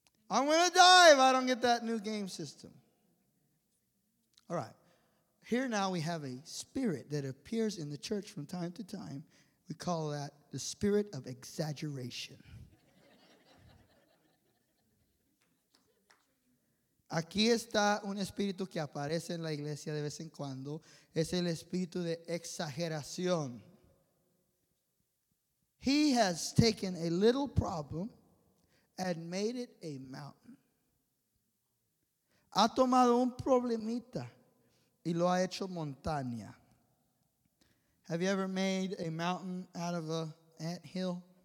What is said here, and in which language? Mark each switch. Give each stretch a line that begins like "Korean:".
English: I'm going to die if I don't get that new game system. All right. Here now we have a spirit that appears in the church from time to time. We call that the spirit of exaggeration.
Spanish: Aquí está un espíritu que aparece en la iglesia de vez en cuando. Es el espíritu de exageración.
English: He has taken a little problem and made it a mountain.
Spanish: Ha tomado un problemita y lo ha hecho montaña.
English: Have you ever made a mountain out of an anthill?